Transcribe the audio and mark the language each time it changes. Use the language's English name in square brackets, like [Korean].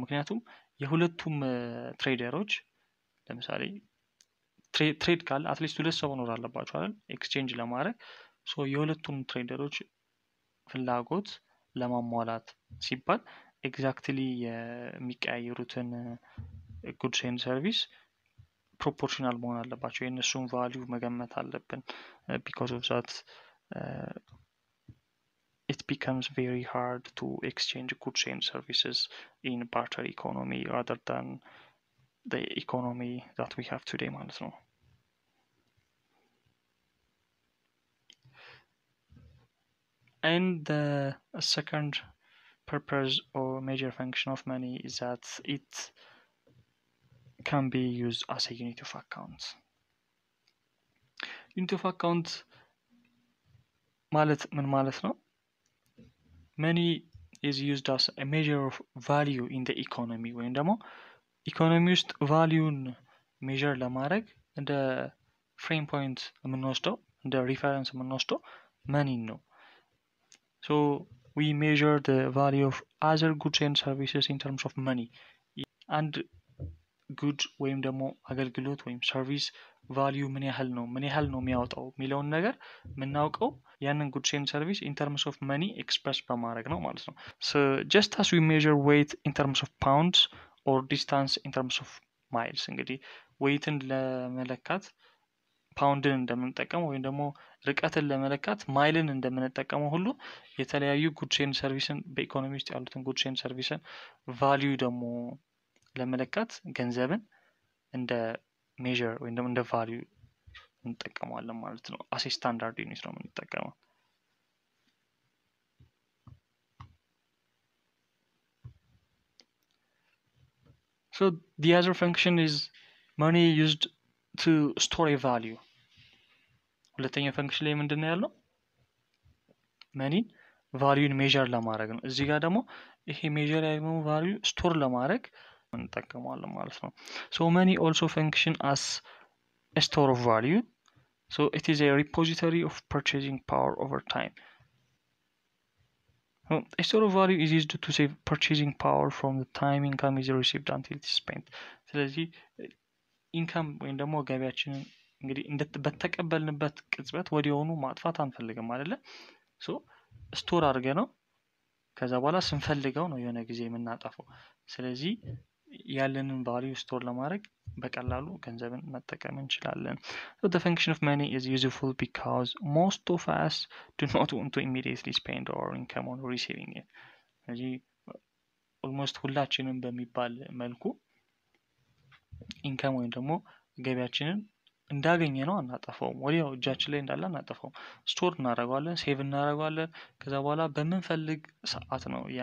[Amharic] ምክንያቱም የሁለቱም ትሬደሮች ለምሳሌ ትሬድ ካለ አትሊስት ሁለት ሰው መኖር አለባቸው አይደል ኤክስቼንጅ ለማድረግ. ሶ የሁለቱም ትሬደሮች ፍላጎት ለማሟላት ሲባል ኤግዛክትሊ የሚቀያየሩትን ጉድስ ኤንድ ሰርቪስ proportional መሆን አለባቸው. የነሱን value መገመት አለብን. [English] because of that it becomes very hard to exchange goods and services in barter economy rather than the economy that we have today [Amharic] ማለት ነው. [English] And the second purpose or major function of money is that it can be used as a unit of account. [Amharic] Unit of account ማለት ምን ማለት ነው? [English] Money is used as a measure of value in the economy. [Amharic] ወይም ደግሞ economist value measure ለማድረግ እንደ frame point የምንወስደው እንደ reference የምንወስደው money ነው. [English] So we measure the value of other goods and services in terms of money. [Amharic] And goods ወይም ደግሞ አገልግሎት ወይም service value ምን ያህል ነው የሚያወጣው የሚለውን ነገር የምናውቀው ያንን goods and service in terms of money express በማድረግ ነው ማለት ነው. [English] So just as we measure weight in terms of pounds or distance in terms of miles. [Amharic] እንግዲህ weight ን ለመለካት ፓውንድን እንደምንጠቀመው ወይም ደግሞ ርቀትን ለመለካት ማይልን እንደምንጠቀመው ሁሉ የተለያዩ ጉድሴን ሰርቪስን በኢኮኖሚ ውስጥ ያሉትን ጉድሴን ሰርቪስን ቫሊዩ ደግሞ ለመለካት ገንዘብን እንደ ሜዥር ወይም ደግሞ እንደ ቫሊዩ እንጠቀመዋለን ማለት ነው። አስ ስታንዳርድ ዩኒት ነው የምንጠቀመው። [English] So the other function is money used to store a value. [Amharic] ሁለተኛ ፈንክሽን ላይ ምንድነው ያለው? Money value measure ለማድረግ ነው። እዚህ ጋር ደግሞ ይሄ measure ያለው value store ለማድረግ እንጠቀማለን ማለት ነው። [English] So money also function as a store of value. So it is a repository of purchasing power over time. A store of value is used to save purchasing power from the time income is received until it is spent. [Amharic] ስለዚህ ኢንካም ወይ ደሞ ገቢያችን እንግዲህ እንደተቀበልንበት ቅጽበት ወዲያውኑ ማጥፋት አንፈልግም አይደለ? ሶ ስቶር አድርገነው ከዛ በኋላ ስንፈልገው ነው የሆነ ጊዜ የምናጠፋው። ስለዚህ ያለንን ቫልዩ ስቶር ለማድረግ በቀላሉ ገንዘብን መጠቀም እንችላለን። [English] So the function of money is useful because most of us do not want to immediately spend our income on receiving it. [Amharic] ስለዚህ almost ሁላችንም በሚባል መልኩ ኢንካም ወይም ደግሞ ገቢያችንን እንዳገኘ ነው አናጠፋውም። ወዲያው እጃችን ላይ እንዳለ አናጠፋውም። ስቶር እናደርገዋለን፣ ሴቭ እናደርገዋለን። ከዛ በኋላ በምንፈልግ ሰዓት ነው